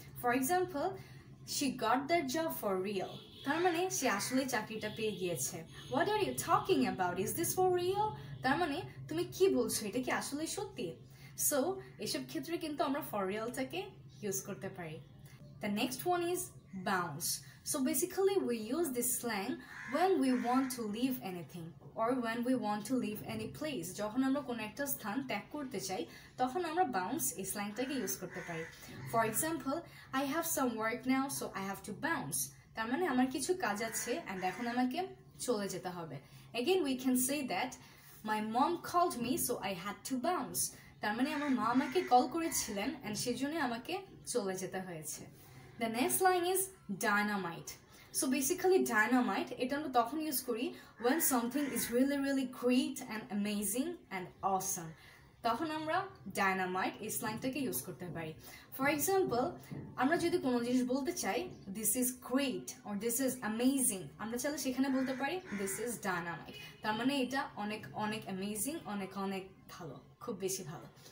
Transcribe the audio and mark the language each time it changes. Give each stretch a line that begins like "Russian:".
English: for example, she got that job for real,
Bangla: তার মানে সে আসলে চাকরিটা পেয়ে গিয়েছে।
English: what are you talking about, is this for real,
Bangla: তার মানে তুমি কী বলছো, এটা কি আসলে সত্যি? সো এসব ক্ষেত্রে কিন্তু আমরা ফর রিয়েলটাকে ইউজ করতে পারি।
English: The next one is bounce. So basically we use this slang when we want to leave anything or when we want to leave any place.
Bangla: যখন আমরা কোনো একটা স্থান ত্যাগ করতে চাই তখন আমরা bounce এই স্ল্যাংটাকে ইউজ করতে পারি।
English: for example, I have some work now so I have to bounce,
Bangla: তার মানে আমার কিছু কাজ আছে অ্যান্ড এখন আমাকে চলে যেতে হবে।
English: again, we can say that my mom called me so I had to bounce,
Bangla: তার মানে আমার মা আমাকে কল করেছিলেন অ্যান্ড সেজন্যই আমাকে চলে যেতে হয়েছে।
English: The next line is dynamite. So basically dynamite,
Bangla: এটা আমরা তখন ইউজ করি
English: when something is really really great and amazing and awesome.
Bangla: তখন আমরা dynamite এই স্ল্যাংটাকে ইউজ করতে পারি। ফর এক্সাম্পল, আমরা যদি কোনো জিনিস বলতে চাই
English: this is great or this is amazing,
Bangla: আমরা চাইলে সেখানে বলতে পারি
English: this is dynamite,
Bangla: তার মানে এটা অনেক অনেক অ্যামেজিং, অনেক অনেক ভালো, খুব বেশি ভালো।